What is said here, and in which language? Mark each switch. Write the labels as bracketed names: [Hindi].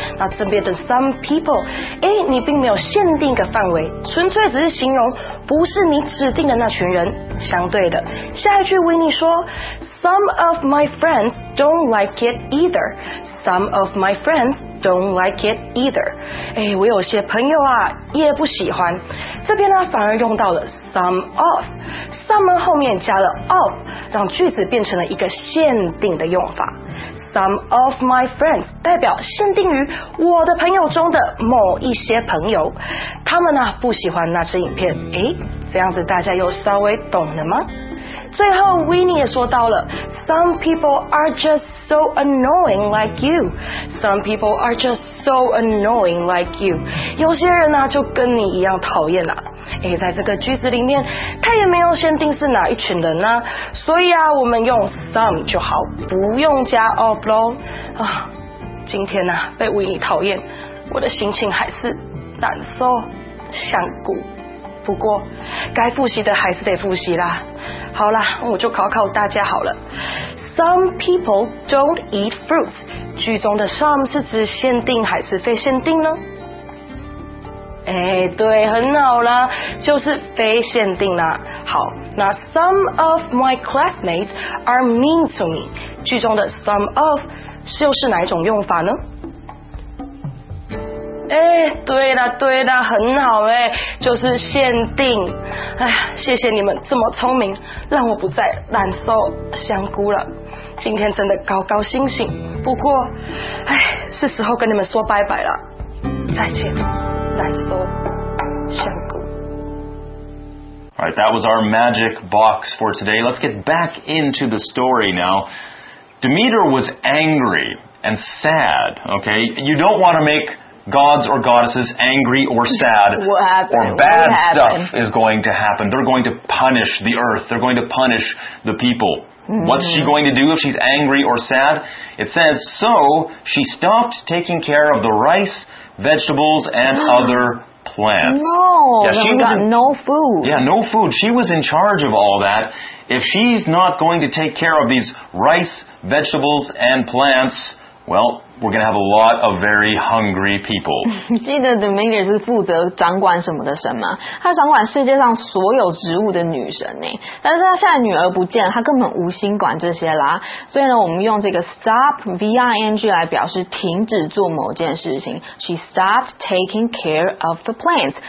[Chinese] 那这边的 some people， 诶，你并没有限定个范围，纯粹只是形容不是你指定的那群人。相对的，下一句维尼说 [English] some of my friends don't like it either. Some of my friends don't like it either. [Chinese] 诶，我有些朋友啊也不喜欢。这边呢反而用到了 some of， some 后面加了 of， 让句子变成了一个限定的用法。 [English] Some of my friends [Chinese] 代表限定于我的朋友中的某一些朋友，他们呢不喜欢那支影片。诶，这样子大家又稍微懂了吗？最后 Winnie 也说到了 [English] Some people are just so annoying like you. Some people are just so annoying like you. [Chinese] 有些人呢就跟你一样讨厌啦。诶，在这个句子里面他也没有限定是哪一群人啊，所以啊我们用 some 就好，不用加 of 咯。啊，今天啊被维尼讨厌，我的心情还是难受想哭，不过该复习的还是得复习啦。好啦，我就考考大家好了。 [English] Some people don't eat fruits， [Chinese] 句中的 some 是指限定还是非限定呢？哎，对，很好啦，就是非限定啦。好，那 [English] some of my classmates are mean to me， [Chinese] 句中的 some of 又是哪一种用法呢？哎，对啦对啦，很好哎，就是限定。哎，谢谢你们这么聪明，让我不再难受香菇了。今天真的高高兴兴，不过哎，是时候跟你们说拜拜了，再见。 [English] All right, that was our magic box for today. Let's get back into the story now. Demeter was angry and sad, okay? You don't want to make gods or goddesses angry or sad. What happened? Or bad stuff is going to happen. They're going to punish the earth. They're going to punish the people. Mm-hmm. What's she going to do if she's angry or sad? It says, so she stopped taking care of the rice, vegetables, and other plants. No, yeah, she got no food. Yeah, no food. She was in charge of all that. If she's not going to take care of these rice, vegetables, and plants, well, we're going to have a lot of very hungry people. [Chinese] 记得 Demeter 是负责掌管什么的神吗？她掌管世界上所有植物的女神呢。但是她现在女儿不见，她根本无心管这些啦。所以呢，我们用这个 stop V-I-N-G 来表示停止做某件事情。 [English] She stopped taking care of the plants.